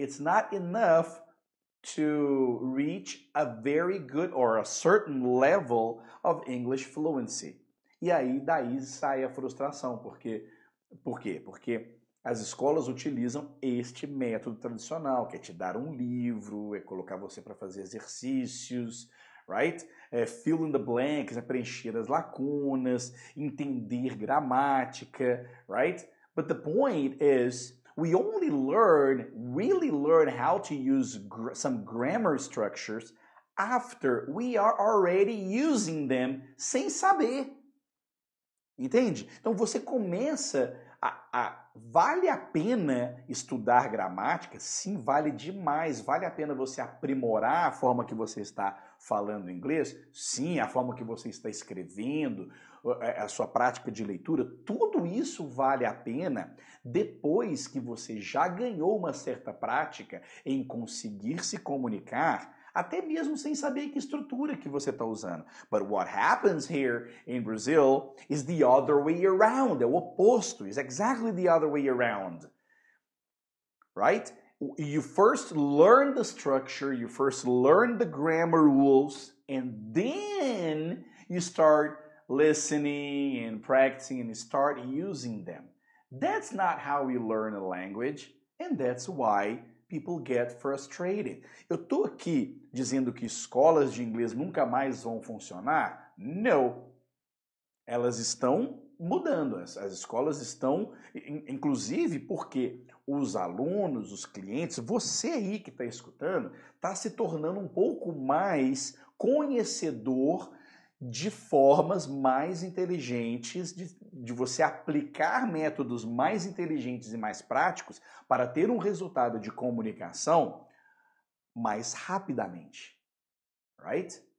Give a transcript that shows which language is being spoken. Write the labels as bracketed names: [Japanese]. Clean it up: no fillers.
[English] It's not enough to reach a very good or a certain level of English fluency. [Portuguese] E aí, daí sai a frustração. Por quê? Porque as escolas utilizam este método tradicional, que é te dar um livro, é colocar você para fazer exercícios, right? É [English] fill in the blanks, [Portuguese] é preencher as lacunas, entender gramática, right? [English] But the point is, we only learn, really learn how to use some grammar structures after we are already using them [Portuguese] sem saber. Entende? Então você começa vale a pena estudar gramática? Sim, vale demais. Vale a pena você aprimorar a forma que você está falando inglês? Sim, a forma que você está escrevendo, a sua prática de leitura. Tudo isso vale a pena depois que você já ganhou uma certa prática em conseguir se comunicar. até mesmo sem saber que estrutura que você está usando. [English] But what happens here in Brazil is the other way around. [Portuguese] É o oposto. [English] It's exactly the other way around. Right? You first learn the structure, you first learn the grammar rules, and then you start listening and practicing and start using them. That's not how we learn a language, and that's why people get frustrated. [Portuguese] Eu tô aqui dizendo que escolas de inglês nunca mais vão funcionar? [English] No. [Portuguese] Elas estão mudando. As escolas estão, inclusive, porque os alunos, os clientes, você aí que está escutando, está se tornando um pouco mais conhecedor de formas mais inteligentes de você aplicar métodos mais inteligentes e mais práticos para ter um resultado de comunicação mais rapidamente. [English] Right?